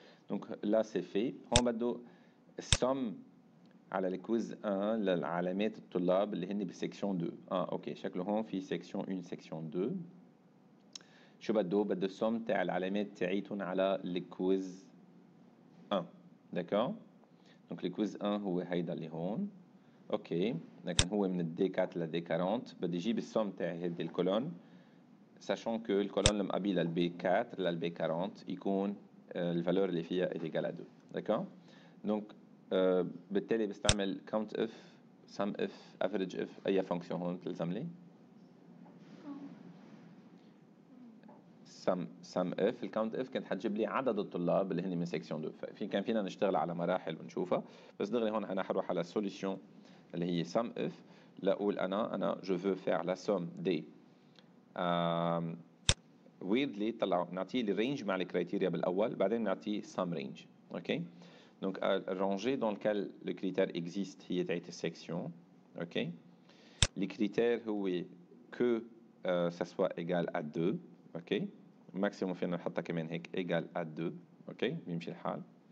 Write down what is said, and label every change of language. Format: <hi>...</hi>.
<ar>دونك لا سي في هون بدو السوم على الكويز 1 للعلامات الطلاب اللي هن بسيكسيون 2 اوكي شكله هون في سيكسيون 1 سيكسيون 2 شو بده؟ بده السوم تاع العلامات تاعيتهم على الكويز 1 داكور؟</ar> <fr>Donc le quiz 1</fr> <ar>هو هيدا اللي هون.</ar> <en>OK.</en> <ar>لكن هو من الدي 4 للدي 40 بدي اجيب السوم تاع هيدي الكولون</ar> <fr>sachant que le colonne l'habille B4 l'B40 يكون</fr> <ar>la valeur اللي فيها</ar> <fr>est égale à 2. D'accord?</fr> <ar>Donc بالتالي بستعمل count if sum if average if اي فونكسيون هون بتلزملي. Sum if, le count if, كانت حتجيب لي عدد الطلاب اللي هني من section 2. كان فينا نشتغل على مراحل ونشوفها. بس دغري هون انا حروح على solution اللي هي sum if.</ar> <fr>لأقول انا je veux faire la somme des.</fr> <en>Weirdly,</en> <ar>طلعوا نعطيه le range مع الكريتيريا بالأول. بعدين نعطيه sum range.</ar> <en>Okay?</en> <fr>Donc, rangé dans lequel le critère existe,</fr> <ar>هي تعيط section.</ar> <en>Okay?</en> <fr>Le critère</fr> <ar>هو</ar> <fr>que ça soit égal à 2.</fr> <en>Okay?</en> <ar>Maximum فينا نحطها كمان هيك</ar> <fr>égal à 2.</fr> <ar>OK, بيمشي الحال.</ar>